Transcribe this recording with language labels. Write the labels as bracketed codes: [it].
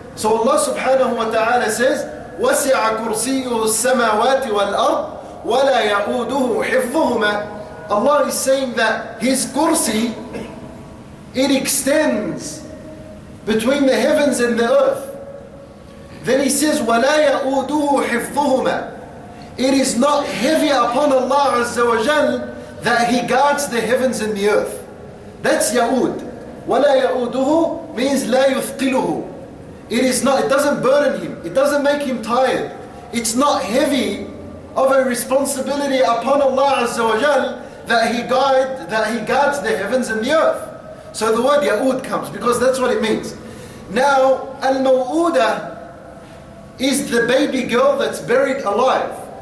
[ar] So Allah subhanahu wa ta'ala says, وَسِعَ كُرْسِيُهُ السَّمَاوَاتِ وَالْأَرْضِ وَلَا يَؤُودُهُ حِفْظُهُمَا. [en] Allah is saying that His kursi, it extends between the heavens and the earth. Then He says, وَلَا يَؤُودُهُ حِفْظُهُمَا. It is not heavy upon Allah Azza wa Jal that He guards the heavens and the earth. That's Ya'ud. وَلَا يَعُودُهُ means لَا يُثْقِلُهُ. It is not, it doesn't burden him. It doesn't make him tired. It's not heavy of a responsibility upon Allah Azza wa Jal that he guards the heavens and the earth. So the word Ya'ud comes because that's what it means. Now, Al-Maw'uda is the baby girl that's buried alive.